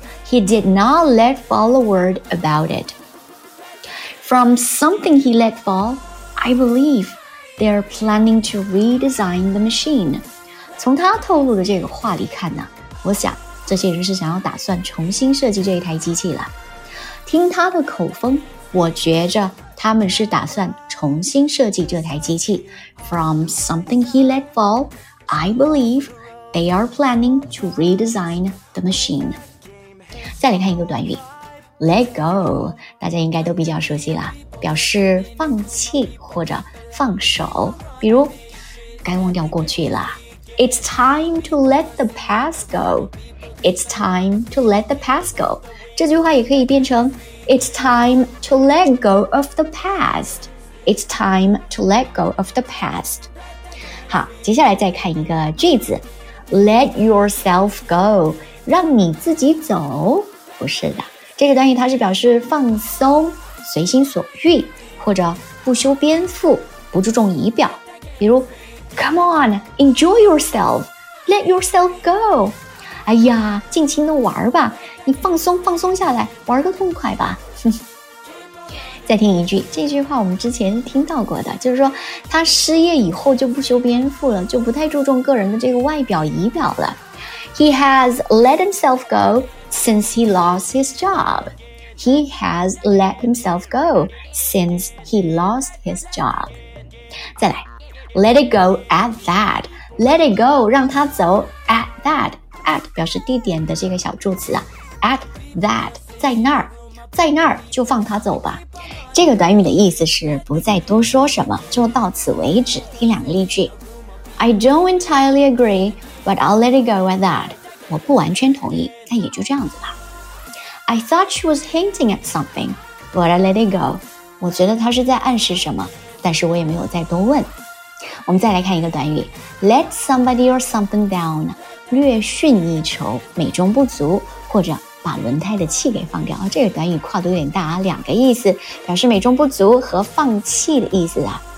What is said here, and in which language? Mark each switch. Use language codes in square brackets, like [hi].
[en] He did not let fall a word about itFrom something he let fall, I believe they're planning to redesign the machine. [zh] 从他透露的这个话里看呢，我想这些人是想要打算重新设计这一台机器了。听他的口风，我觉着他们是打算重新设计这台机器。 [en] From something he let fall, I believe they are planning to redesign the machine. [zh] 再来看一个短语 [en] Let go, [zh] 大家应该都比较熟悉了，表示放弃或者放手，比如该忘掉过去了。 [en] It's time to let the past go. It's time to let the past go. [zh] 这句话也可以变成 [en] It's time to let go of the past. It's time to let go of the past. [zh] 好，接下来再看一个句子。 [en] Let yourself go. [zh] 让你自己走。不是的，这个短语它是表示放松、随心所欲，或者不修边幅、不注重仪表。比如 [en] Come on, enjoy yourself. Let yourself go. [zh] 哎呀，尽情的玩吧，你放松放松下来，玩个痛快吧。再听一句，这句话我们之前听到过的，就是说他失业以后就不修边幅了，就不太注重个人的这个外表仪表了。 [en] He has let himself go since he lost his job. He has let himself go since he lost his job. [zh] 再来。 [en] Let it go at that. Let it go, [zh] 让它走 [en] at that. [zh] At 表示地点的这个小助词啊。 [en] At that, [zh] 在那儿。在那儿就放它走吧。这个短语的意思是不再多说什么，就到此为止。听两个例句。 [en] I don't entirely agree, but I'll let it go at that. [zh] 我不完全同意，但也就这样子吧。 [en] I thought she was hinting at something, but I let it go. [zh] 我觉得她是在暗示什么，但是我也没有再多问。我们再来看一个短语 [en] Let somebody or something down [zh] 略逊一筹美中不足或者把轮胎的气给放掉、哦、这个短语跨度有点大、啊、两个意思表示美中不足和放弃的意思啊。